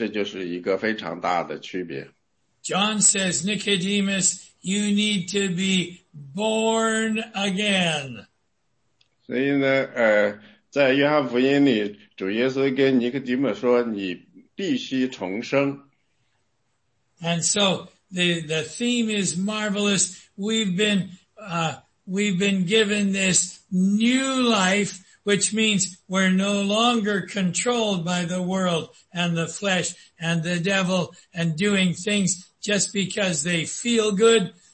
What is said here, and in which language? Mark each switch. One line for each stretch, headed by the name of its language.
Chinese: 所以呢，圣经呢，做了一个很有力的说明，是什么呢？你过去是死的，现在你活了，这就是一个非常大的区别。
English: John says, Nicodemus, you need to be born again.
Chinese: 所以呢，在约翰福音里，主耶稣跟尼哥底母说，你必须重生。
English: And so the theme is marvelous. We've been given this new life, which means we're no longer controlled by the world and the flesh and the devil and doing things just because they feel good.